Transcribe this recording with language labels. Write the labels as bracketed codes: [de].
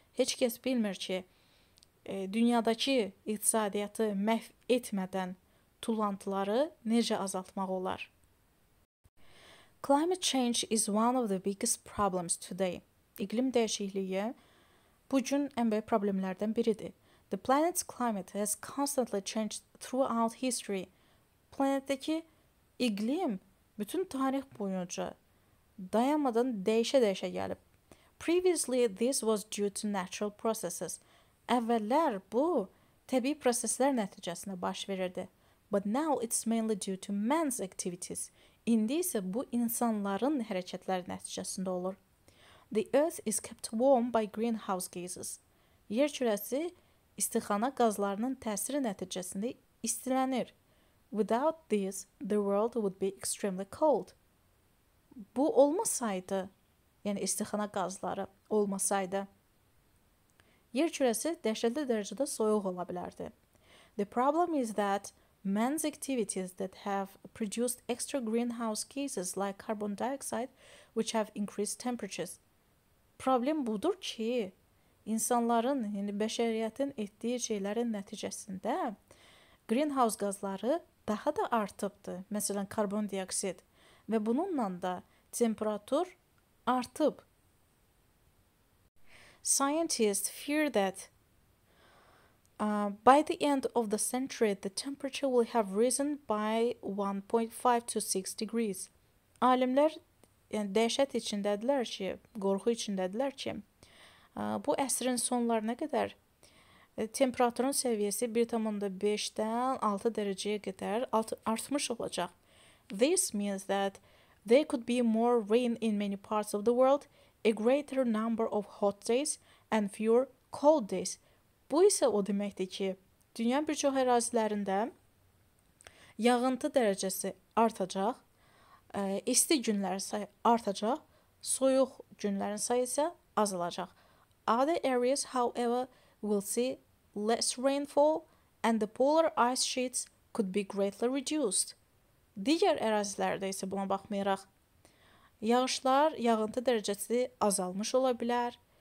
[az] Heç kəs bilmir ki, dünyadakı iqtisadiyyatı məhv etmədən tullantıları necə azaltmaq olar. [en] Climate change is one of the biggest problems today. [az] İqlim dəyişikliyi bu gün ən böyük problemlərdən biridir. [en] The planet's climate has constantly changed throughout history. [az] Planetdəki iqlim bütün tarix boyunca dayanmadan dəyişə-dəyişə gəlib. [en] Previously, this was due to natural processes. [az] Əvvəllər bu, təbii proseslər nəticəsində baş verirdi. [en] But now it's mainly due to man's activities. [az] İndi isə bu, insanların hərəkətləri nəticəsində olur. [en] The earth is kept warm by greenhouse gases. [az] Yer kürəsi istixana qazlarının təsiri nəticəsində istilənir. [en] Without this, the world would be extremely cold. [az] Bu olmasaydı, yəni istixana qazları olmasaydı, yer kürəsi dəhşətli dərəcədə soyuq ola bilərdi. [en] The problem is that man's activities that have produced extra greenhouse gases like carbon dioxide, which have increased temperatures. [az] Problem budur ki, insanların, yəni bəşəriyyətin etdiyi şeylərin nəticəsində greenhouse qazları daha da artıbdı, məsələn, karbon dioksid və bununla da temperatur artıb. [en] Scientists fear that by the end of the century, the temperature will have risen by 1.5 to 6 degrees. [az] Alimlər yəni dəhşət içindədilər ki, qorxu içindədilər ki, bu əsrin sonlarına qədər temperaturun səviyyəsi 1.5-dən 6 dərəcəyə qədər artmış olacaq. [en] This means that there could be more rain in many parts of the world, a greater number of hot days and fewer cold days. [az] Bu isə o deməkdir ki, dünyanın bir çox ərazilərində yağıntı dərəcəsi artacaq, isti günlər sayı artacaq, soyuq günlərin sayı isə azalacaq. [en] Other areas, however, will see less rainfall and the polar ice sheets could be greatly reduced. [az] Digər ərazilərdə isə buna baxmayaraq, yağışlar, yağıntı dərəcəsi azalmış ola bilər.